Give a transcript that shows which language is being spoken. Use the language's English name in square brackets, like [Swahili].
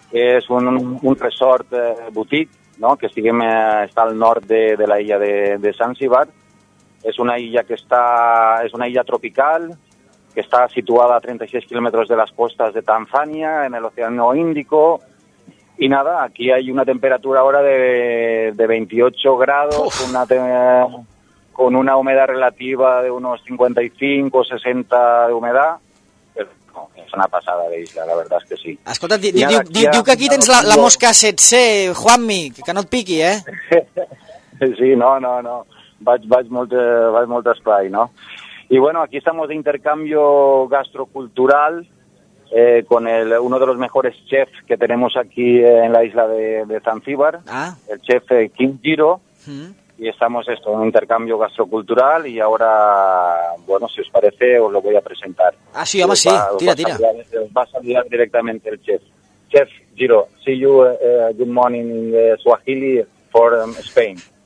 [Catalan] que és un resort boutique, no? Que estiguem, està al nord de l'illa de Zanzíbar. És una illa que està, és una illa tropical, que està situada a 36 quilòmetres de les costes de Tanzània, en l'oceà Índico. [Spanish] Y nada, aquí hay una temperatura ahora de 28 grados, con una humedad relativa de unos 55-60 de humedad. Pero, no, es una pasada de isla, la verdad es que sí. [Catalan] Escolta, diu que aquí tens la mosca setze, Juanmi, que no et piqui, eh? Sí, no. Vaig molt esplai, no? [Spanish] Y bueno, aquí estamos de intercambio gastrocultural, con uno de los mejores chefs que tenemos aquí en la isla de Zanzíbar, el chef Kim Giro, y estamos esto en un intercambio gastrocultural y ahora, bueno, si os parece, os lo voy a presentar. Ah, sí, vamos, sí, tira. Va a saludar directamente el chef. [English] Chef Giro, see you, good morning in Swahili for Spain.